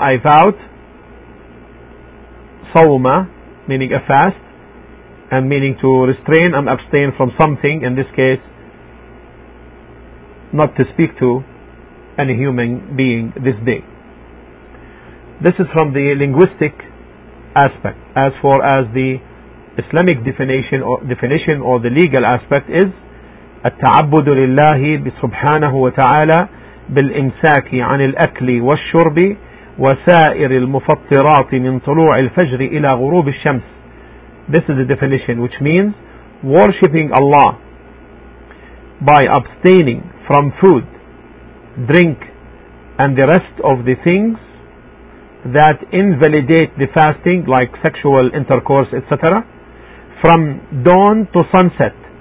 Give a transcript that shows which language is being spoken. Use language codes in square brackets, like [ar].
[en] I vowed sawma, meaning a fast, and meaning to restrain and abstain from something, in this case not to speak to any human being this day. This is from the linguistic aspect. As far as the Islamic definition or the legal aspect is [ar] التعبد لله سبحانه وتعالى بالإمساك عن الأكل والشرب وسائر المفطرات من طلوع الفجر إلى غروب الشمس. [en] This is the definition, which means worshipping Allah by abstaining from food, drink, and the rest of the things that invalidate the fasting, like sexual intercourse, etc., from dawn to sunset.